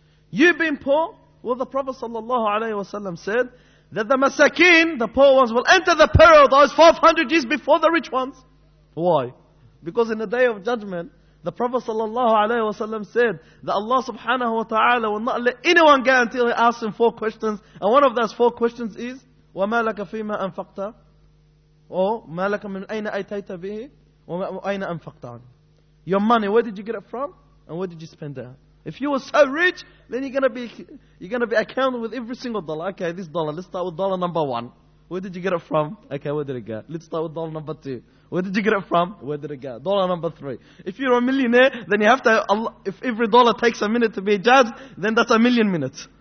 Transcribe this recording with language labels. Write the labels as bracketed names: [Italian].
[English] You being poor, well, the Prophet sallallahu alayhi wasallam said that the masakeen, the poor ones, will enter the paradise 500 years before the rich ones. Why? Because in the day of judgment, the Prophet sallallahu alayhi wasallam said that Allah subhanahu wa ta'ala will not let anyone go until he asks him four questions. And one of those four questions is, [Arabic] وَمَا لَكَ فِي مَا أَنْفَقْتَ, or مَا لَكَ مِنْ أَيْنَ أَيْتَيْتَ بِهِ وَأَيْنَ أَنْفَقْتَ. [English] Your money, where did you get it from? And where did you spend it? If you were so rich, then you're gonna be accounted with every single dollar. Okay, this dollar, let's start with dollar number one. Where did you get it from? Okay, where did it go? Let's start with dollar number two. Where did you get it from? Where did it go? Dollar number three. If you're a millionaire, then you have to, if every dollar takes a minute to be judged, then that's a million minutes.